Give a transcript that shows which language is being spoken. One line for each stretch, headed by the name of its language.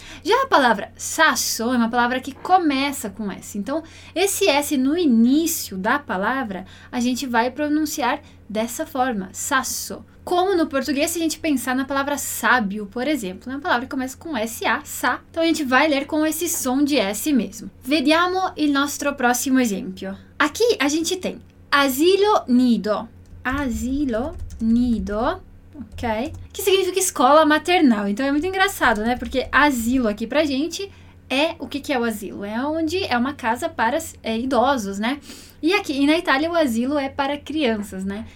Portuguese: Já a palavra sasso é uma palavra que começa com S. Então, esse S no início da palavra, a gente vai pronunciar dessa forma, sasso. Como no português, se a gente pensar na palavra sábio, por exemplo, é uma palavra que começa com S-A, sa. Então, a gente vai ler com esse som de S mesmo.
Italian: Vediamo il nostro prossimo esempio.
Portuguese: Aqui, a gente tem asilo nido. Asilo nido. Ok? Que significa escola maternal. Então, é muito engraçado, né? Porque asilo aqui pra gente é o que é o asilo? É onde é uma casa para idosos, né? E aqui e na Itália, o asilo é para crianças, né?